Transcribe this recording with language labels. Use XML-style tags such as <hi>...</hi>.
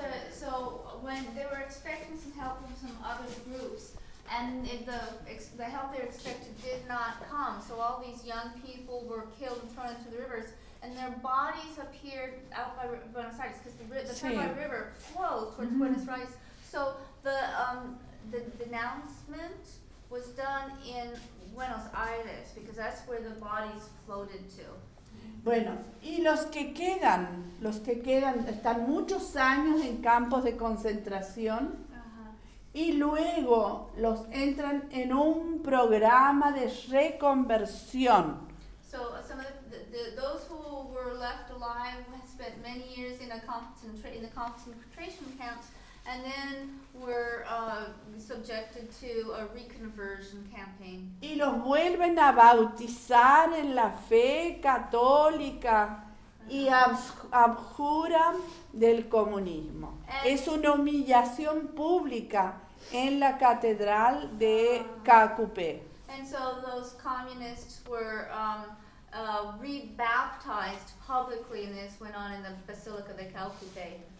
<en>So when they were expecting some help from some other groups, and the help they were expecting did not come, so all these young people were killed and thrown into the rivers, and their bodies appeared out by Buenos Aires, because the Paraguay River flows towards Buenos Aires. So the denouncement was done in Buenos Aires, because that's where the bodies floated to.</en> <es>Bueno, y los que quedan, están muchos años en campos de concentración y luego los entran en un programa de reconversión.</es> <en>So some of the those who were left alive spent many years in the concentration camps and then were subjected to a reconversion campaign.</en> <es>Y los vuelven a bautizar en la fe católica y abjuran del comunismo.</es> <en>And</en> <es>es una humillación pública en la catedral de Cacupé.</es> <en>And so those communists were rebaptized publicly, and this went on in the Basilica de Cacupé.</en>